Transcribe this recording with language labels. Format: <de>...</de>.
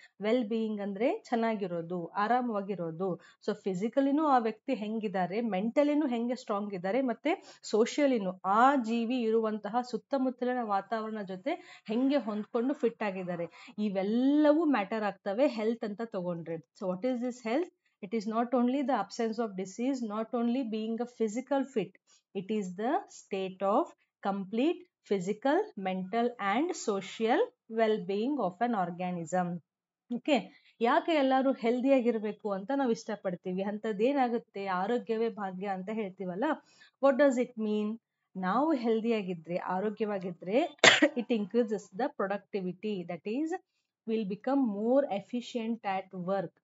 <kn>Well being ಅಂದರೆ ಚೆನ್ನಾಗಿರೋದು, ಆರಾಮವಾಗಿರೋದು. So ಫಿಸಿಕಲಿನೂ ಆ ವ್ಯಕ್ತಿ ಹೆಂಗಿದ್ದಾರೆ, ಮೆಂಟಲಿನೂ ಹೆಂಗೆ ಸ್ಟ್ರಾಂಗ್ ಇದ್ದಾರೆ, ಮತ್ತು ಸೋಷಿಯಲಿನೂ ಆ ಜೀವಿ ಇರುವಂತಹ ಸುತ್ತಮುತ್ತಲಿನ ವಾತಾವರಣ ಜೊತೆ ಹೆಂಗೆ ಹೊಂದ್ಕೊಂಡು ಫಿಟ್ ಆಗಿದ್ದಾರೆ, ಇವೆಲ್ಲವೂ ಮ್ಯಾಟರ್ ಆಗ್ತವೆ ಹೆಲ್ತ್ ಅಂತ ತಗೊಂಡ್ರೆ.</kn> <en>So what is this health? It is not only the absence of disease, not only being a physical fit. It is the state of complete physical, mental and social well-being of an organism.</en> <kn>Okay, ಯಾಕೆ ಎಲ್ಲರೂ ಹೆಲ್ದಿಯಾಗಿರಬೇಕು ಅಂತ ನಾವು ಇಷ್ಟಪಡ್ತೀವಿ? ಅಂಥದ್ದೇನಾಗುತ್ತೆ, ಆರೋಗ್ಯವೇ ಭಾಗ್ಯ ಅಂತ ಹೇಳ್ತೀವಲ್ಲ,</kn> <en>What does it mean?</en> <kn>ನಾವು ಹೆಲ್ದಿಯಾಗಿದ್ದರೆ, ಆರೋಗ್ಯವಾಗಿದ್ದರೆ,</kn> <en>It increases the productivity, that is will become more efficient at work.</en>